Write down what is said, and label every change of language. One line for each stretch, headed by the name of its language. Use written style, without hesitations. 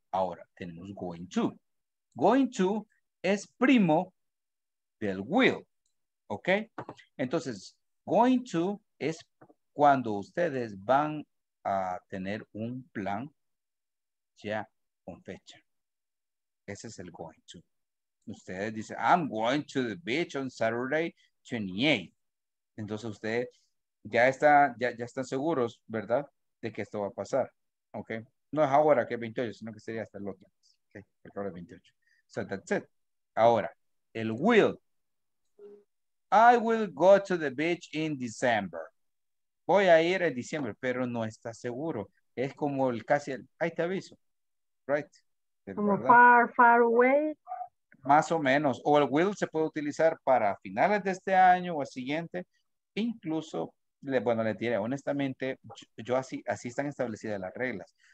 Spanish: Ahora tenemos going to. Going to es primo del will, ¿ok? Entonces, going to es cuando ustedes van a tener un plan ya con fecha. Ese es el going to. Ustedes dicen,
English: I'm going to the beach on Saturday 28.
Spanish: Entonces, ustedes ya están seguros, ¿verdad? De que esto va a pasar, ¿ok? No es ahora que es 28, sino que sería hasta el otro. Ok, el otro es 28.
English: So that's it.
Spanish: Ahora, el will.
English: I will go to the beach in December.
Spanish: Voy a ir en diciembre, pero no está seguro. Es como el casi el, ahí te aviso.
English: Right? Como far, far away.
Spanish: Más o menos. O el will se puede utilizar para finales de este año o el siguiente. Incluso, bueno, le diré, honestamente, yo así están establecidas las reglas.